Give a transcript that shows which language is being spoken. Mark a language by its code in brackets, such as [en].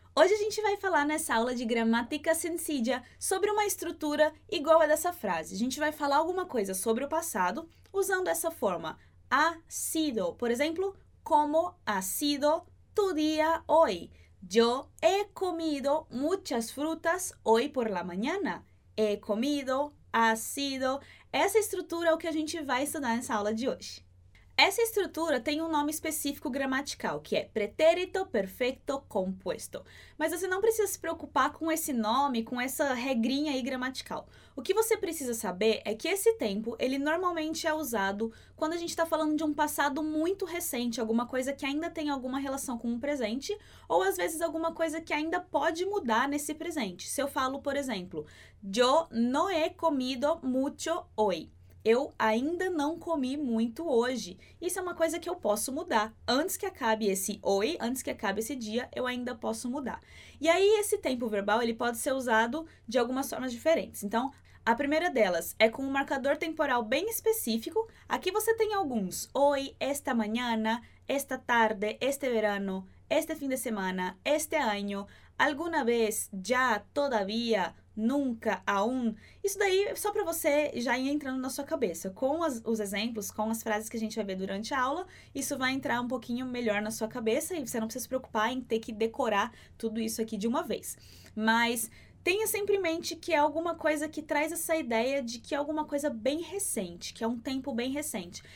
[pt] Hoje a gente vai falar nessa aula de gramática sencilla sobre uma estrutura igual a dessa frase. A gente vai falar alguma coisa sobre o passado usando essa forma, ha sido. Por exemplo, [es] como ha sido tu día hoy? Yo he comido muchas frutas hoy por la mañana. He comido, ha sido. [pt] Essa estrutura é o que a gente vai estudar nessa aula de hoje. Essa estrutura tem um nome específico gramatical, que é pretérito perfeito composto. Mas você não precisa se preocupar com esse nome, com essa regrinha aí gramatical. O que você precisa saber é que esse tempo, ele normalmente é usado quando a gente está falando de um passado muito recente, alguma coisa que ainda tem alguma relação com o presente, ou às vezes alguma coisa que ainda pode mudar nesse presente. Se eu falo, por exemplo, [es] Yo no he comido mucho hoy. [pt] Eu ainda não comi muito hoje. Isso é uma coisa que eu posso mudar. Antes que acabe esse hoy, antes que acabe esse dia, eu ainda posso mudar. E aí, esse tempo verbal, ele pode ser usado de algumas formas diferentes. Então, a primeira delas é com um marcador temporal bem específico. Aqui você tem alguns: [es] hoy, esta mañana, esta tarde, este verano, este fin de semana, este año, alguna vez, ya, todavía. Nunca, aún. [pt] Isso daí é só para você já ir entrando na sua cabeça. Com os exemplos, com as frases que a gente vai ver durante a aula, isso vai entrar um pouquinho melhor na sua cabeça e você não precisa se preocupar em ter que decorar tudo isso aqui de uma vez. Mas tenha sempre em mente que é alguma coisa que traz essa ideia de que é alguma coisa bem recente, que é um tempo bem recente.